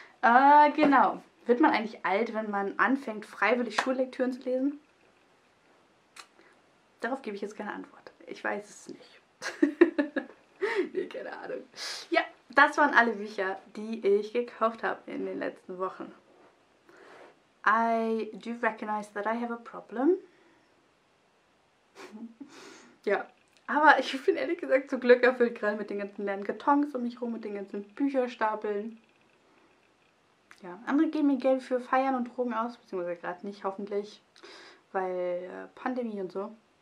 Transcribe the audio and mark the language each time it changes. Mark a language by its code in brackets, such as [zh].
[de] Genau. Wird man eigentlich alt, wenn man anfängt, freiwillig Schullektüren zu lesen? Darauf gebe ich jetzt keine Antwort. Ich weiß es nicht. Nee, keine Ahnung. Ja, das waren alle Bücher, die ich gekauft habe in den letzten Wochen. [en] I do recognize that I have a problem. [de] Ja. Aber ich bin ehrlich gesagt zu Glück erfüllt, gerade mit den ganzen leeren Kartons um mich rum, mit den ganzen Bücherstapeln. Ja, andere geben mir Geld für Feiern und Drogen aus, beziehungsweise gerade nicht, hoffentlich, weil Pandemie und so.